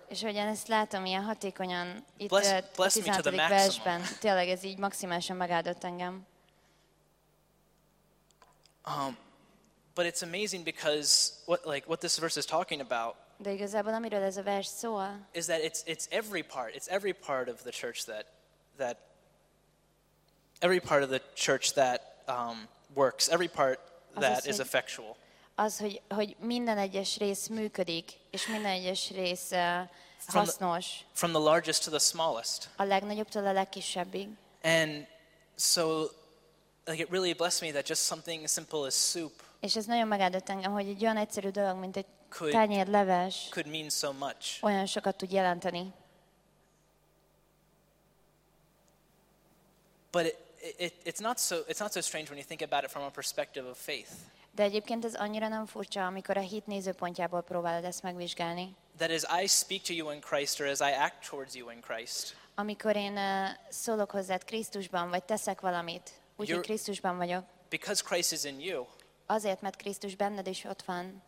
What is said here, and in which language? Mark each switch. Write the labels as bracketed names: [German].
[Hungarian] És ugyan ezt látom ilyen hatékonyan itt a 16. versben. Tényleg ez így maximálisan megáldott engem. [English] But it's amazing because what this verse is talking about. [Hungarian] De igazából amiről ez a vers szól. [English] Is that it's every part. It's every part of the church that every part of the church that works. Every part that is effectual. [Hungarian] Az, hogy minden egyes rész működik, és minden egyes rész hasznos. [English] From the largest to the smallest. [Hungarian] A legnagyobbtól a legkisebbig. [English] And so, like it really blessed me that just something as simple as soup. [Hungarian] És ez nagyon megáldott engem, hogy egy olyan egyszerű dolog, mint egy tányér leves [English] could mean so much. [Hungarian] Olyan sokat tud jelenteni. [English] But it's not so strange when you think about it from a perspective of faith. [Hungarian] De egyébként ez annyira nem furcsa, amikor a hit nézőpontjából próbálod ezt megvizsgálni. [English] That is, I speak to you in Christ, or as I act towards you in Christ. [Hungarian] Amikor én szólok hozzád Krisztusban, vagy teszek valamit, úgyhogy Krisztusban vagyok. [English] Because Christ is in you. [Hungarian] Azért, mert Krisztus benned is ott van.